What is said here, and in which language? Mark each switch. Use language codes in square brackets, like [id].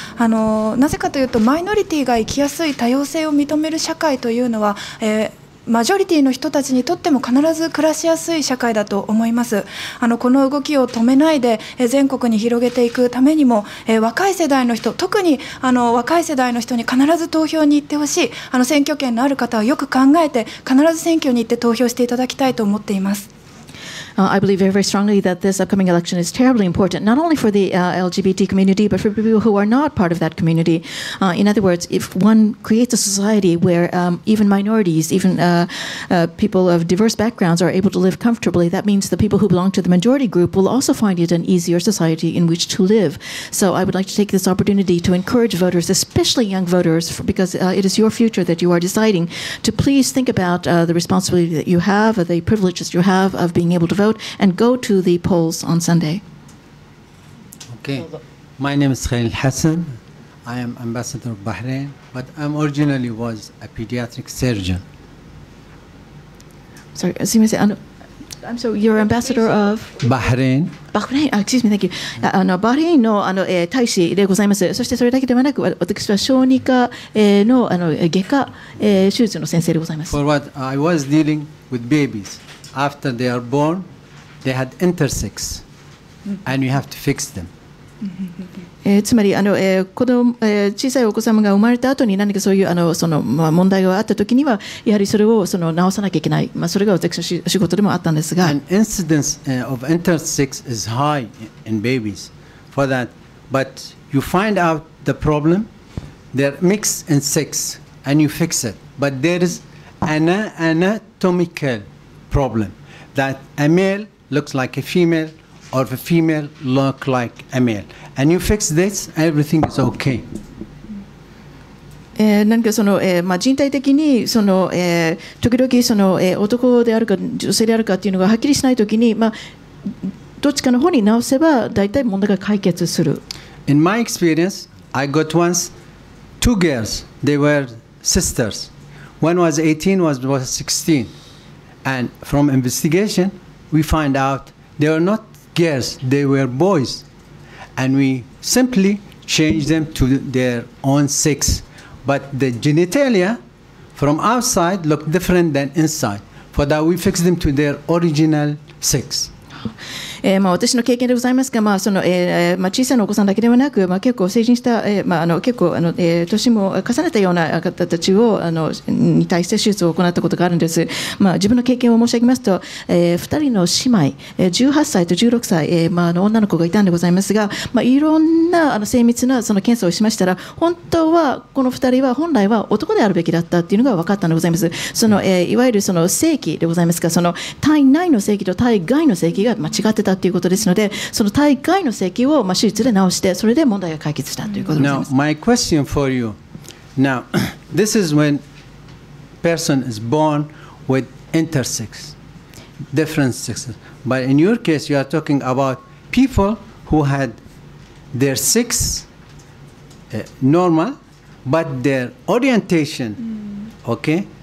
[ja] なぜかというと、マイノリティが生きやすい多様性を認める社会というのは、マジョリティの人たちにとっても必ず暮らしやすい社会だと思います。この動きを止めないで全国に広げていくためにも、若い世代の人、特に若い世代の人に必ず投票に行ってほしい。選挙権のある方はよく考えて必ず選挙に行って投票していただきたいと思っています。 [en] I believe very, very strongly that this upcoming election is terribly important, not only for the LGBT community, but for people who are not part of that community. In other words, if one creates a society where even minorities, even people of diverse backgrounds are able to live comfortably, that means the people who belong to the majority group will also find it an easier society in which to live. So I would like to take this opportunity to encourage voters, especially young voters, because it is your future that you are deciding, to please think about the responsibility that you have, the privileges you have of being able to vote, and go to the polls on Sunday. Okay. My name is Khalil Hassan. I am ambassador of Bahrain, but I originally was a pediatric surgeon. So you're ambassador of Bahrain. Bahrain. Excuse me. Thank you. [ja] Bahrain の大使でございます。そしてそれだけではなく、私は小児科の外科手術の先生でございます。 [en] For what I was dealing with babies after they are born, they had intersex, and you have to fix them. [ja] つまり小さいお子様が生まれた後に何かそういうまあ、問題があった時にはやはりそれを直さなきゃいけない、まあ、それが私の仕事でもあったんですが、 [en] An incidence of intersex is high in babies for that, but you find out the problem, they're mixed in sex and you fix it, but there is an anatomical problem that a male looks like a femaleOr if a female look like a male, and you fix this, everything is okay. [ja] なんかまあ、人体的に時々男であるか女性であるかっていうのがはっきりしないときに、まあ、どっちかの方に直せば大体問題が解決する。 [en] In my experience, I got once two girls. They were sisters. One was 18, one was 16. And from investigation, we find out they are not. Yes, they were boys, and we simply changed them to their own sex. But the genitalia from outside looked different than inside. For that, we fixed them to their original sex. [ja] まあ、私の経験でございますが、まあまあ、小さなお子さんだけではなく、まあ、結構成人した、まあ、結構年も重ねたような方たちをに対して手術を行ったことがあるんです、まあ、自分の経験を申し上げますと、2人の姉妹18歳と16歳、まあ、女の子がいたんでございますが、まあ、いろんな精密なその検査をしましたら本当はこの2人は本来は男であるべきだったというのが分かったんでございます。その、いわゆるその性器でございますが、その体内の性器と体外の性器が間違ってたということですので、その体外の性器を手術で治して、それで問題が解決したということです。 [en] Now, my question for you. Now, this is when person is born with intersex, different sexes. But in your case, you are talking about people who had their sex normal, but their orientation, okay?